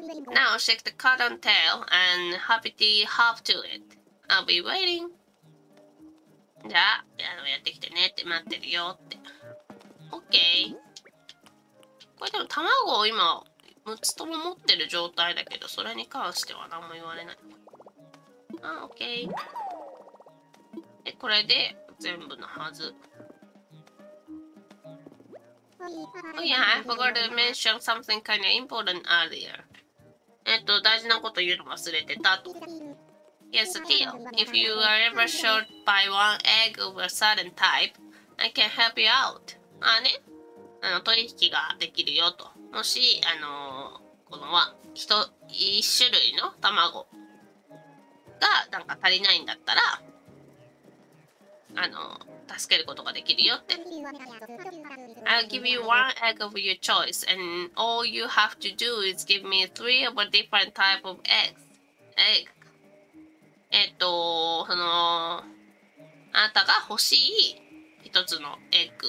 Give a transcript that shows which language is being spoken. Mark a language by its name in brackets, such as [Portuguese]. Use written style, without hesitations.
[English] Now shake the cotton tail and happy tea hop to it. I'll be waiting. [Japanese] じゃあ、やってきてねって待ってるよって。 [English] OK。 [Japanese] これでも卵を今6つとも持ってる状態だけど、それに関しては何も言われない。あ、OK。で、これで全部のはず。 [English] Oh yeah, I forgot to mention something kind of important earlier. [Japanese] 大事なこと言うの忘れてたと。 [English] Yes, deal. If you are ever short by one egg of a certain type, I can help you out. [Japanese] あね、取引ができるよと。もし、このは、一種類の卵がなんか足りないんだったら、助けることができるよって。 [English] I'll give you one egg of your choice, and all you have to do is give me three of a different type of eggs. Egg. [Japanese] あなたが欲しい一つのエッグ。